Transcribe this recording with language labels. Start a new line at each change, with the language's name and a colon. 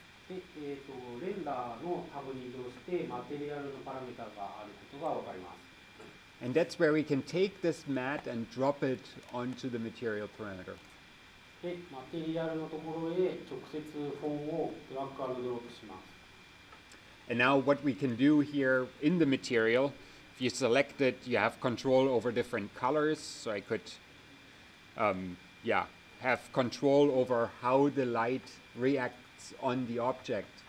Japanese: レンダーのタブに移動してマテリアルのパラメータがあることがわかります。
English: And that's where we can take this mat and drop it onto the material parameter.
Japanese: で、マテリアルのところへ直接フォンをドラッグアンドドロップします。
English: And now what we can do here in the material, if you select it, you have control over different colors, so I could, have control over how the light reactOn the object.